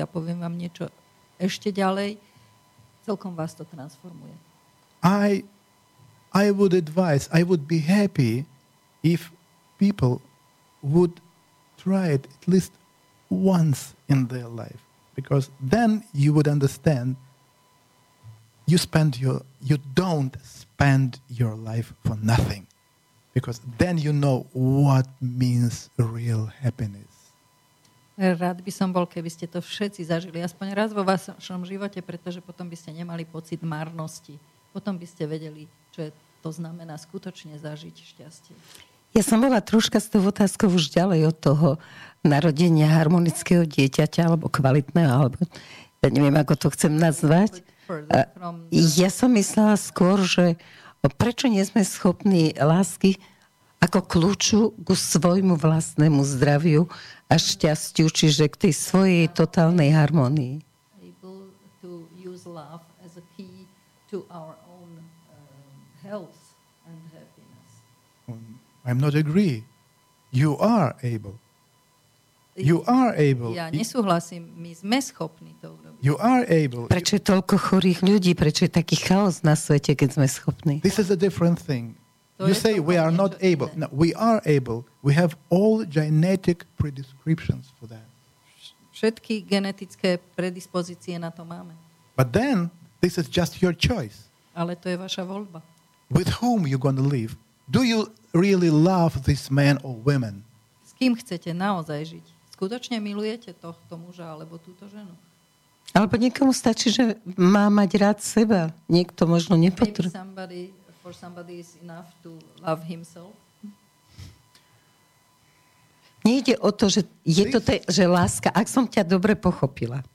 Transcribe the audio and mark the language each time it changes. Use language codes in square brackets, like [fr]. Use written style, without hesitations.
[sk] A poviem vám niečo ešte ďalej. Celkom vás to transformuje. [en] I would advise, I would be happy if people would try it at least once in their life, because then you would understand you don't spend your life for nothing, because then you know what means real happiness. [sk] Rád by som bol, keby ste to všetci zažili aspoň raz vo vašom živote, pretože potom by ste nemali pocit marnosti, potom by ste vedeli, čo to znamená skutočne zažiť šťastie. Ja som bola troška s tou otázkou už ďalej od toho narodenia harmonického dieťaťa alebo kvalitného, alebo ja neviem, ako to chcem nazvať. Ja som myslela skôr, že prečo nie sme schopní lásky ako kľúču ku svojmu vlastnému zdraviu a šťastiu, čiže k tej svojej totálnej harmonii. [en] Able to use love as a key to our own health and happiness. I'm not agree. You are able. You are able. [sk] Ja nesúhlasím, my sme schopní to urobiť. [en] You are able. [sk] Prečo je toľko chorých ľudí, prečo je taký chaos na svete, keď sme schopní? [en] This is a different thing. You say we are not able. No, we are able. We have all genetic predisposition for that. [sk] Všetky genetické predispozície na to máme. [en] But then this is just your choice. [sk] Ale to je vaša voľba. [en] With whom you going to live? Do you really love this man or woman? [sk] S kým chcete naozaj žiť? Skutočne milujete tohto muža alebo túto ženu? Alebo niekomu stačí, že má mať rád seba. Niekto možno nepotrebuje. [en] For somebody is enough to love himself. [sk] Nie ide o to, že je to že láska, ak som ťa dobre pochopila.